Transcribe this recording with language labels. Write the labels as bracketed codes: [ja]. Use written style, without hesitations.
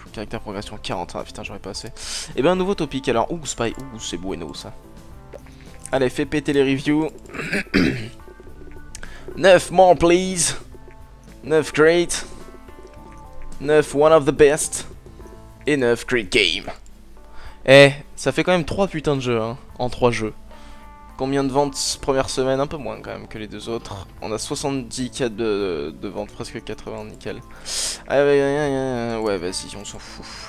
[fr] Caractère progression 40. Ah putain, j'aurai pas assez. Et ben, un nouveau topic alors. Ouh, Spy. Ouh, c'est bueno ça. Allez, fais péter les reviews. [en] 9 more, please! 9 great, 9 one of the best, et 9 great game. [fr] Eh, ça fait quand même 3 putains de jeux, hein, en 3 jeux. Combien de ventes première semaine? Un peu moins quand même que les deux autres. On a 70k de ventes, presque 80, nickel. Ah, ouais, vas-y, on s'en fout.